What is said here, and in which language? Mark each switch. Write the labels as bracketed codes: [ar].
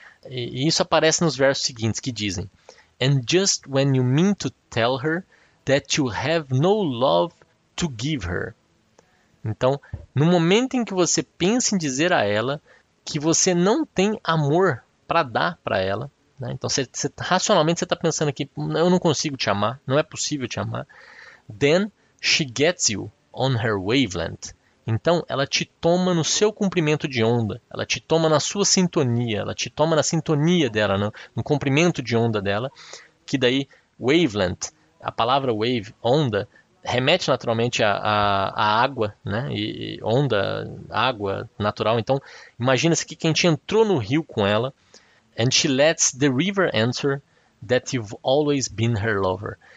[pt] E isso aparece nos versos seguintes, que dizem: [en] "And just when you mean to tell her that you have no love to give her." [pt] Então, no momento em que você pensa em dizer a ela que você não tem amor para dar para ela, né? Então, racionalmente você está pensando aqui: eu não consigo te amar, não é possível te amar. [en] "Then she gets you on her wavelength." [pt] Então, ela te toma no seu comprimento de onda, ela te toma na sua sintonia, ela te toma na sintonia dela, no comprimento de onda dela, que daí, wavelength, a palavra wave, onda, remete naturalmente à água, né? E onda, água natural. Então, imagina-se que a gente entrou no rio com ela, [en] and she lets the river answer that you've always been her lover.